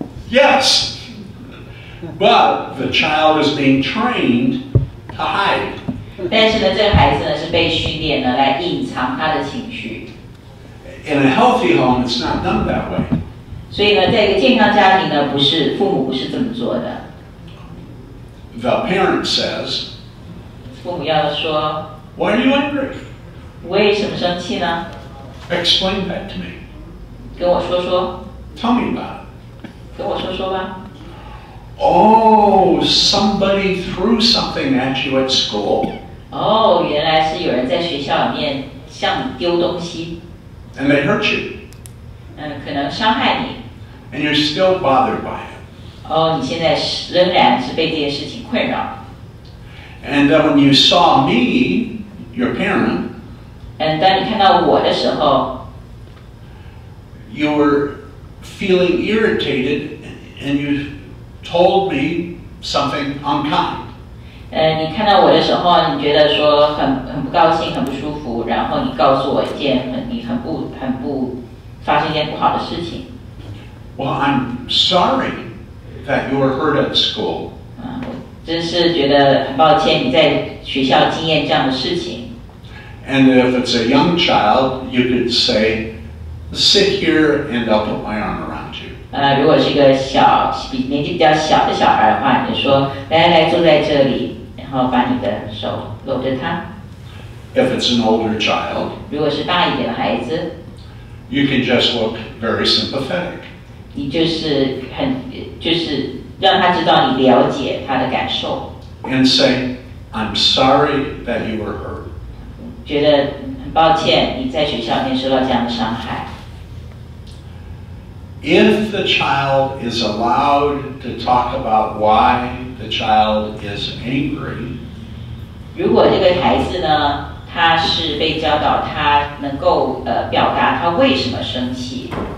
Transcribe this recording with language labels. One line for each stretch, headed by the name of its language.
English: Yes, but the child is being trained to hide.
Chinese: 但是呢，这个孩子呢是被训练呢来隐藏他的情绪。
English: In a healthy home, it's not done that way.
Chinese: 所以呢，在一个健康家庭呢，不是父母不是这么做的。
English: The parent says.
Chinese: 父母要说。
English: Why are you angry?
Chinese: 为什么生气呢？
English: Explain that to me.
Chinese: 跟我说说。
English: Tell me about it.
Chinese: 跟我说说吧。
English: Oh, somebody threw something at you at school.
Chinese: Oh, 原来是有人在学校里面向你丢东西。
English: And they hurt you.
Chinese: 可能伤害你。
English: And you're still bothered by it.
Chinese: Oh, 你现在仍然是被这件事情困扰。
English: And then when you saw me, your parent.
Chinese: And 当你看到我的时候。
English: You were feeling irritated and you told me something unkind.
Chinese: 你看到我的时候你觉得说 很不高兴很不舒服然后你告诉我一件你很不发生一件不好的事情。
English: Well, I'm sorry that you were hurt at school.
Chinese: 我真是觉得很抱歉你在学校经验这样的事情。
English: And if it's a young child, you could say,Sit here and I'll put my arm around you.
Chinese: 如果是一个小比年纪比较小的小孩的话，你说来来来，坐在这里，然后把你的手搂着他。
English: If it's an older child,
Chinese: 如果是大一点的孩子
English: ，you can just look very sympathetic.
Chinese: 你就是很就是让他知道你了解他的感受。
English: And say, I'm sorry that you were hurt.
Chinese: 觉得。抱歉，你在学校里面受到这样的伤害。
English: If the child is allowed to talk about why the child is angry,
Chinese: 如果这个孩子呢，他是被教导他能够表达他为什么生气。